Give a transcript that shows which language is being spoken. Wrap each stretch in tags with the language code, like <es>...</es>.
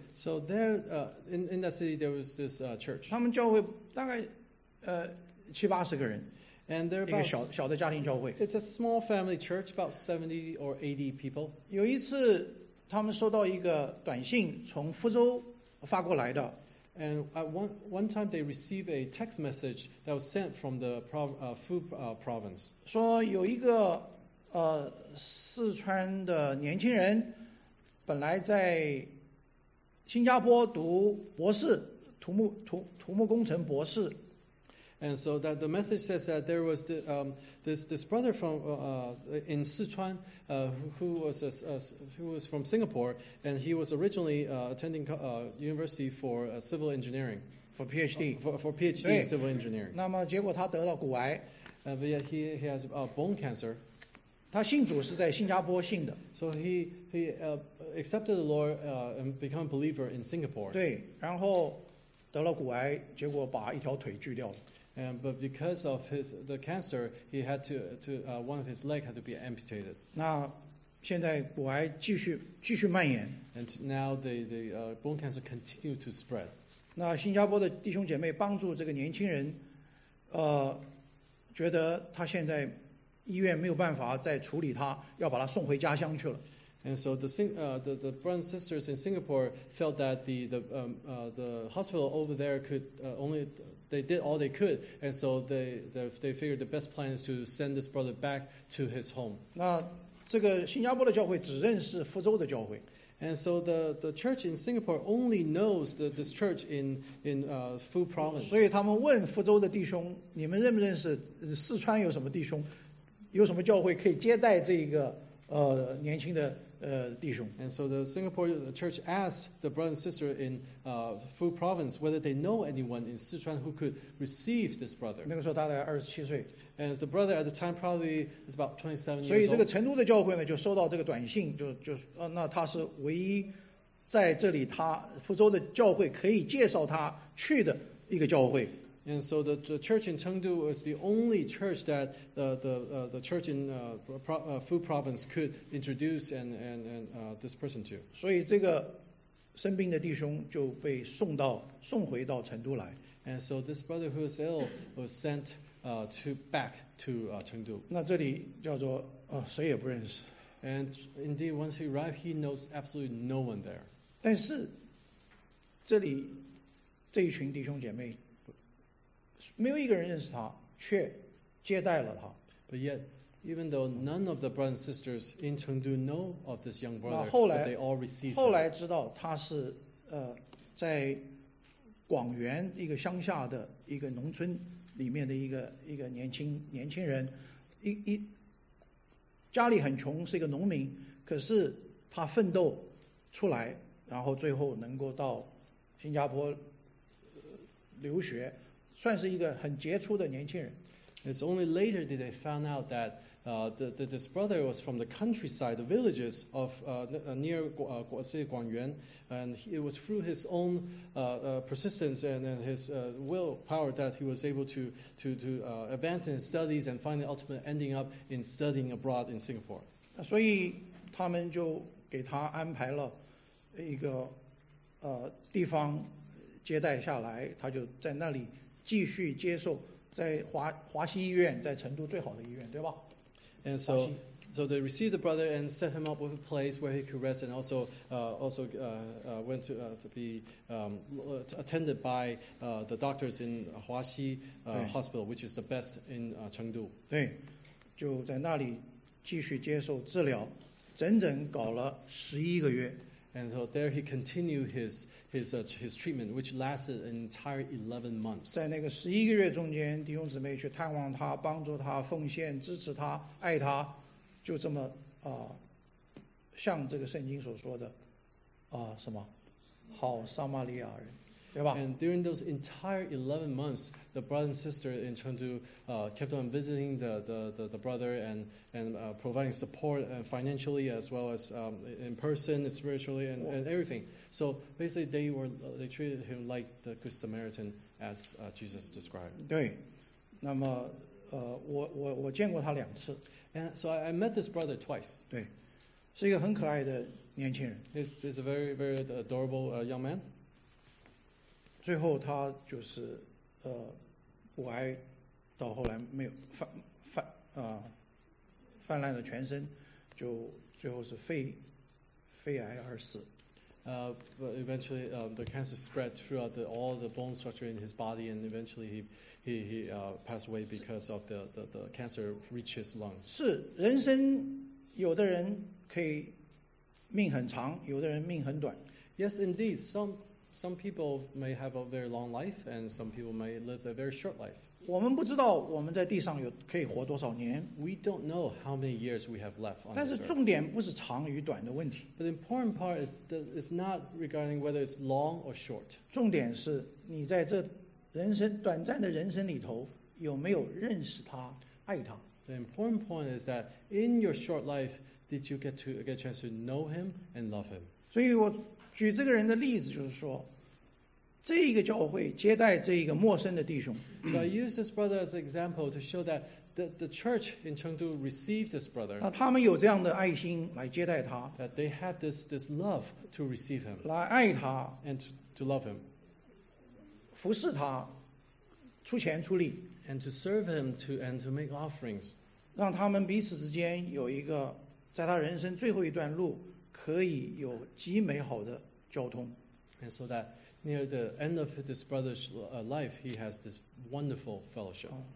<en>So there, in that city, there was this church.</en> <zh>他们教会大概七八十个人。</zh> <en>And they're about</en> <zh>一个小的家庭教会。</zh> <en>It's a small family church, about 70 or 80 people.</en> <zh>有一次，他们收到一个短信，从福州发过来的。</zh> <en>And at one time, they received a text message that was sent from the province.</en> <zh>说有一个四川的年轻人。本来在新加坡读博士，土木工程博士。</zh> <en>And so that the message says that there was the, this brother from in Sichuan who was from Singapore, and he was originally attending university for civil engineering for PhD for PhD in civil engineering.</en> <zh>那么结果他得了骨癌。</zh> <en>But yet he has bone cancer.</en> <zh>他信主是在新加坡信的</zh> <en>，so he accepted the Lord and become a believer in Singapore.</en> <zh>对，然后得了骨癌，结果把一条腿锯掉了。</zh> <en>And but because of the cancer, he had to one of his leg had to be amputated.</en> <zh>那现在骨癌继续蔓延。</zh> <en>And now the bone cancer continue to spread.</en> <zh>那新加坡的弟兄姐妹帮助这个年轻人，觉得他现在医院没有办法再处理他，要把他送回家乡去了。</zh> <en>And so the brothers and sisters in Singapore felt that the hospital over there could only they did all they could, and so they figured the best plan is to send this brother back to his home.</en> <zh>那这个新加坡的教会只认识福州的教会。</zh> <en>And so the church in Singapore only knows this church in Fu province.</en> <zh>所以他们问福州的弟兄，你们认不认识四川有什么弟兄，有什么教会可以接待这个年轻的弟兄。</zh> <en>And so the Singapore church asked the brother and sister in Fu province whether they know anyone in Sichuan who could receive this brother.</en> <zh>那个时候大概27岁。</zh> <en>And the brother at the time probably is about 27 years old.</en> <zh>所以这个成都的教会呢就收到这个短信，那他是唯一在这里他福州的教会可以介绍他去的一个教会。</zh> <en>And so the church in Chengdu was the only church that the church in Fu province could introduce and this person to.</en> <zh>所以这个生病的弟兄就被送回到成都来。</zh> <en>And so this brother who was ill was sent back to Chengdu.</en> <zh>那这里叫做谁也不认识。</zh> <en>And indeed, once he arrived, he knows absolutely no one there.</en> <zh>但是这里这一群弟兄姐妹。没有一个人认识他，却接待了他。</zh> <en>But yet, even though none of the brothers and sisters in Chengdu know of this young brother,</en> <zh>后来</zh> <en>they all received.</en> <zh>后来知道他是在广元一个乡下的一个农村里面的一个年轻人，家里很穷，是一个农民，可是他奋斗出来，然后最后能够到新加坡留学。算是一个很杰出的年轻人。</zh> <en>It's only later that they found out that this brother was from the countryside, the villages of near Guangyuan, and it was through his own persistence and his willpower that he was able to advance in his studies and finally ultimately ending up in studying abroad in Singapore.</en> <zh>所以他们就给他安排了一个地方接待下来，他就在那里。继续接受在华西医院，在成都最好的医院，对吧</zh> <en>？And so they received the brother and set him up with a place where he could rest, and also went to be attended by the doctors in 华西 hospital, which is the best in Chengdu.</en> <zh>对，就在那里继续接受治疗，整整搞了11个月。</zh> <en>And so there he continued his treatment, which lasted an entire 11 months.</en> <zh>在那个十一个月中间，弟兄姊妹去探望他，帮助他，奉献，支持他，爱他，就这么像这个圣经所说的什么好撒玛利亚人，对吧</zh> <en>？And during those entire 11 months, the brother and sister in Chengdu kept on visiting the brother and providing support and financially as well as in person, spiritually, and everything. So basically, they treated him like the Good Samaritan as Jesus described.</en> <zh>对，那么我见过他两次</zh> <en>，and so I met this brother twice.</en> <zh>对，是一个很可爱的年轻人。</zh> <en>He's a very very adorable young man.</en> <zh>最后他就是骨癌到后来没有泛滥了全身，就最后是肺癌而死。</zh> <en>But eventually the cancer spread throughout all the bone structure in his body, and eventually he passed away because of the cancer reached his lungs.</en> <zh>是人生，有的人可以命很长，有的人命很短。</zh> <en>Yes, indeed, some people may have a very long life, and some people may live a very short life.</en> <zh>我们不知道我们在地上有可以活多少年。</zh> <en>We don't know how many years we have left on this earth.</en> <zh>但是重点不是长与短的问题。</zh> <en>But the important part is not regarding whether it's long or short.</en> <zh>重点是你在这人生短暂的人生里头有没有认识他，爱他。</zh> <en>The important point is that in your short life, did you get a chance to know him and love him?</en> <zh>所以我。举这个人的例子，就是说，这一个教会接待这一个陌生的弟兄。</zh> <en>So I use this brother as an example to show that the church in Chengdu received this brother.</en> <zh>他们有这样的爱心来接待他,</zh> <en>that they had this love to receive him.</en> <zh>来爱他,</zh> <en>and to love him.</en> <zh>服侍他, 出钱出力,</zh> <en>and to serve him to, and to make offerings.</en> <zh>让他们彼此之间有一个, 在他人生最后一段路, 可以有极美好的交通。</zh> <en>And so that near the end of this brother's life, he has this wonderful fellowship.</en>